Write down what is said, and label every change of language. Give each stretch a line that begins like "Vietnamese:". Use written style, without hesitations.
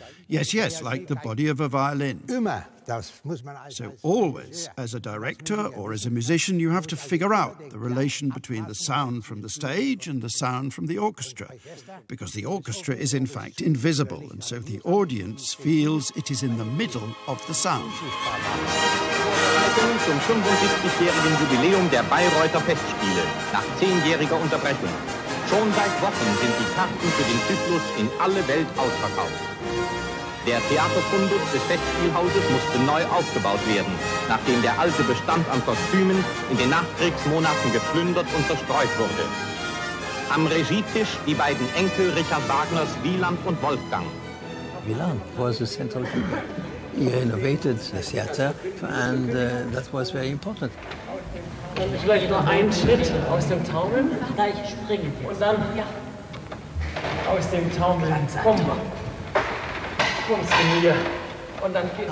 English: Yes, yes, like the body of a violin. So always, as a director or as a musician, you have to figure out the relation between the sound from the stage and the sound from the orchestra, because the orchestra is in fact invisible, and so the audience feels it is in the middle of the sound.
German: Zum 75-jährigen Jubiläum der Bayreuther Festspiele nach 10-jähriger Unterbrechung. Schon seit Wochen sind die Karten für den Zyklus in alle Welt ausverkauft. Der Theaterfundus des Festspielhauses musste neu aufgebaut werden, nachdem der alte Bestand an Kostümen in den Nachkriegsmonaten geplündert und zerstreut wurde. Am Regietisch die beiden Enkel Richard Wagners, Wieland und Wolfgang. Wieland war das Zentrum.
English: He renovated the theatre, and that was very important.
German: Vielleicht nur ein Schritt aus dem Taumel. Gleich springen wir. Und dann ja. Aus dem Taumel. Komm, kommst du mir. Und dann geht's.